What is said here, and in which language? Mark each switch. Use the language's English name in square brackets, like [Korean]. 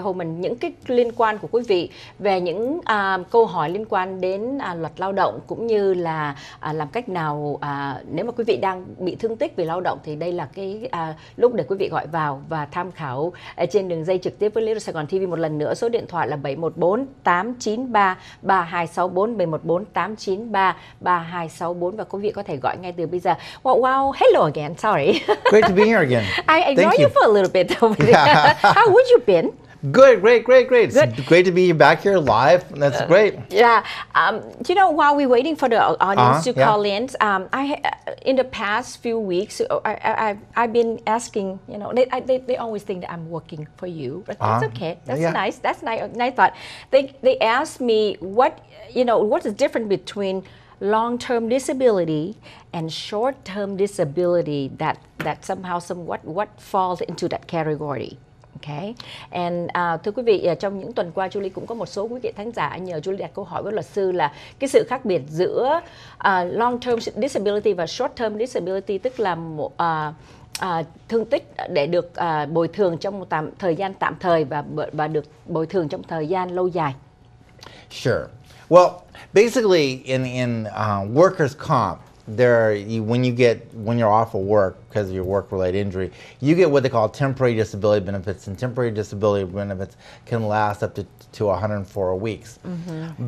[Vietnamese] Homen những cái liên quan của quý vị về những câu hỏi liên quan đến luật lao động, cũng như là làm cách nào nếu mà quý vị đang bị thương tích vì lao động, thì đây là cái lúc để quý vị gọi vào và tham khảo trên đường dây trực tiếp với Little Saigon TV. Một lần nữa, số điện thoại là 714-893-3264, 714-893-3264. Và quý vị có thể gọi ngay từ bây giờ. [English] Wow, hello again, sorry. Great to be here again. I ignored you for a little bit over there. How would you been? Good, great. Good. It's great to be back here live. That's great. Yeah. You know, while we're waiting for the audience to call in, in the past few weeks, I've been asking, you know, they always think that I'm working for you, but that's okay. That's nice thought. They asked me what's the difference between long-term disability and short-term disability that somehow what falls into that category. Okay. [Vietnamese] And thưa quý vị, trong những tuần qua, Julie cũng có một số quý vị khán giả nhờ Julie đặt câu hỏi với luật sư là cái sự khác biệt giữa long term disability và short term disability, tức là một thương tích để được bồi thường trong một thời gian tạm thời và được bồi thường trong thời gian lâu dài. [English] Sure. Well, basically in workers' comp, when you're off of work because of your work-related injury, you get what they call temporary disability benefits, and temporary disability benefits can last up to 104 weeks. Mm-hmm.